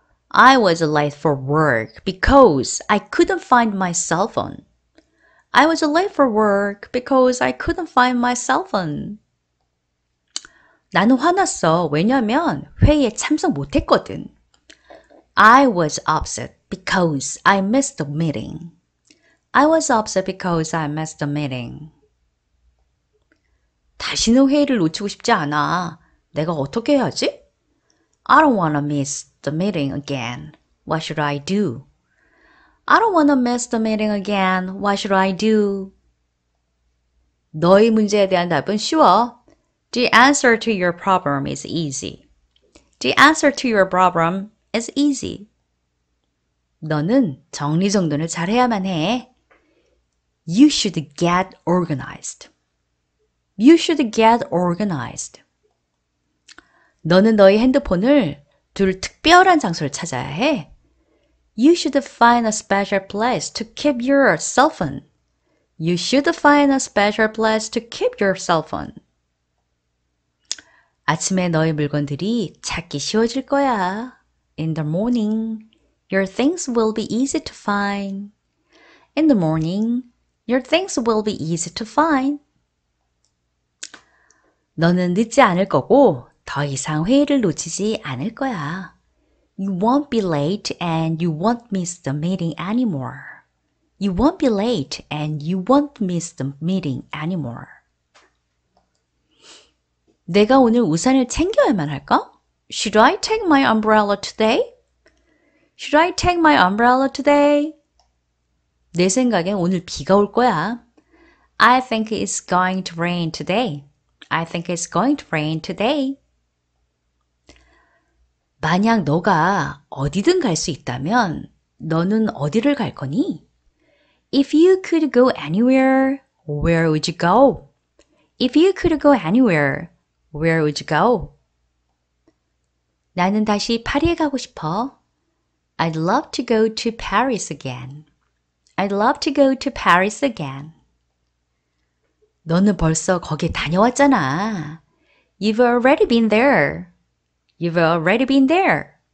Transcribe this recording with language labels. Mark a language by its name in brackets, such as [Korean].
[English] I was late for work because I couldn't find my cell phone. I was late for work because I couldn't find my cell phone. [Korean] 나는 화났어. 왜냐면 회의에 참석 못 했거든. [English] I was upset because I missed the meeting. I was upset because I missed the meeting. [Korean] 다시는 회의를 놓치고 싶지 않아. 내가 어떻게 해야지? [English] I don't wanna miss the meeting again. What should I do? I don't wanna miss the meeting again. What should I do? [Korean] 너의 문제에 대한 답은 쉬워. [English] The answer to your problem is easy. The answer to your problem is easy. [Korean] 너는 정리정돈을 잘해야만 해. [English] You should get organized. You should get organized. [Korean] 너는 너의 핸드폰을 둘 특별한 장소를 찾아야 해. [English] You should find a special place to keep your cell phone. You should find a special place to keep your cell phone. [Korean] 아침에 너의 물건들이 찾기 쉬워질 거야. [English] In the morning, your things will be easy to find. In the morning, your things will be easy to find. [Korean] 너는 늦지 않을 거고 더 이상 회의를 놓치지 않을 거야. [English] You won't be late and you won't miss the meeting anymore. You won't be late and you won't miss the meeting anymore. [Korean] 내가 오늘 우산을 챙겨야만 할까? [English] Should I take my umbrella today? Should I take my umbrella today? [Korean] 내 생각엔 오늘 비가 올 거야. [English] I think it's going to rain today. I think it's going to rain today. [Korean] 만약 너가 어디든 갈 수 있다면 너는 어디를 갈 거니? [English] If you could go anywhere, where would you go? If you could go anywhere, where would you go? [Korean] 나는 다시 파리에 가고 싶어. [English] I'd love to go to Paris again. I'd love to go to Paris again. [Korean] 너는 벌써 거기에 다녀왔잖아. [English] You've already been there. You've already been there.